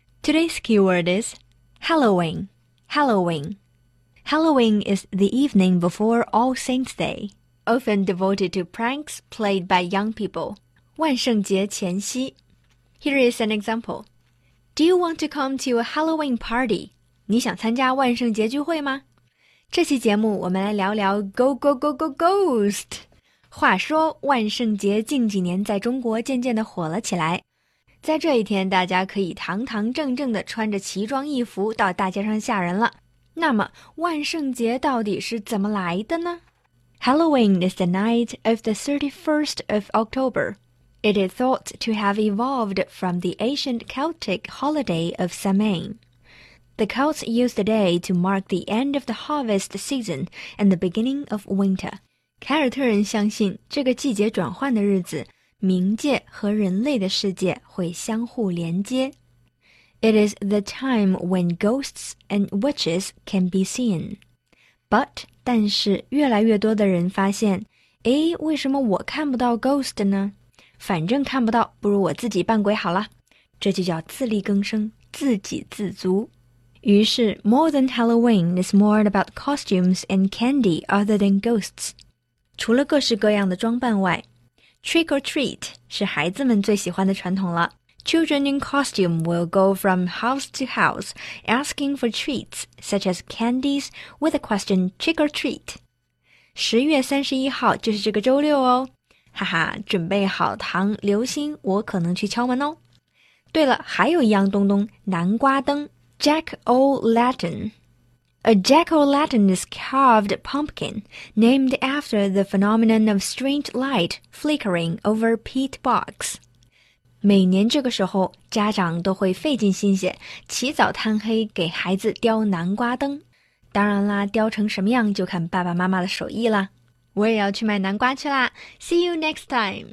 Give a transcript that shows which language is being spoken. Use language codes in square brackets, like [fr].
[en] Today's keyword is Halloween. Halloween. Halloween is the evening before All Saints Day, often devoted to pranks played by young people. [zh] 万圣节前夕. [en] Here is an example. Do you want to come to a Halloween party? [zh] 你想参加万圣节聚会吗？这期节目我们来聊聊 Go Go Go Go Ghost。话说万圣节近几年在中国渐渐地火了起来，在这一天大家可以堂堂正正地穿着奇装异服到大街上吓人了。那么万圣节到底是怎么来的呢？ [en] Halloween is the night of the 31st of October. It is thought to have evolved from the ancient Celtic holiday of Samhain. The Celts used the day to mark the end of the harvest season and the beginning of winter. [zh] 凯尔特人相信这个季节转换的日子，冥界和人类的世界会相互连接。 [en] It is the time when ghosts and witches can be seen. But, [zh] 但是越来越多的人发现，诶，为什么我看不到 ghost 呢？反正看不到，不如我自己扮鬼好了。这就叫自力更生，自给自足。于是 [en] ,more than Halloween is more about costumes and candy other than ghosts. [zh] 除了各式各样的装扮外 , [en] trick or treat [zh] 是孩子们最喜欢的传统了。 [en] Children in costume will go from house to house asking for treats, such as candies, with a question trick or treat. [zh] 10月31号就是这个周六哦。哈哈，准备好糖、流星，我可能去敲门哦。对了，还有一样东东，南瓜灯 [en] ,Jack-o'-lantern. A jack-o'-lantern is carved pumpkin, named after the phenomenon of strange light flickering over peat box. [zh] 每年这个时候，家长都会费尽心血，起早贪黑给孩子雕南瓜灯。当然啦，雕成什么样就看爸爸妈妈的手艺啦。我也要去买南瓜去啦。 [en] See you next time!